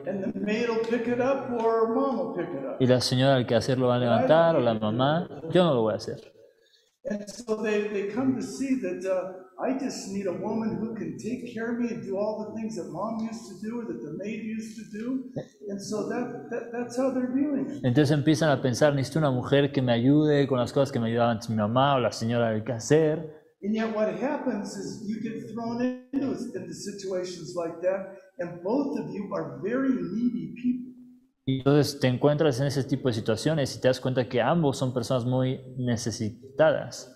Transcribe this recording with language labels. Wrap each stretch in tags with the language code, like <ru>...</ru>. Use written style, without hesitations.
<en>And the maid will pick it up or mom will pick it up.</en> <es>Y la señora al que hacerlo va a levantar o la mamá. Yo no lo voy a hacer.</es> <en>And so they come to see that I just need a woman who can take care of me and do all the things that mom used to do or that the maid used to do. And so that's how they're viewing it.</en> <es>Entonces empiezan a pensar, necesito una mujer que me ayude con las cosas que me ayudaban mi mamá o la señora del quehacer.</es> <en>And yet what happens is you get thrown into situations like that, and both of you are very needy people.</en> <es>Y entonces te encuentras en ese tipo de situaciones y te das cuenta que ambos son personas muy necesitadas.</es>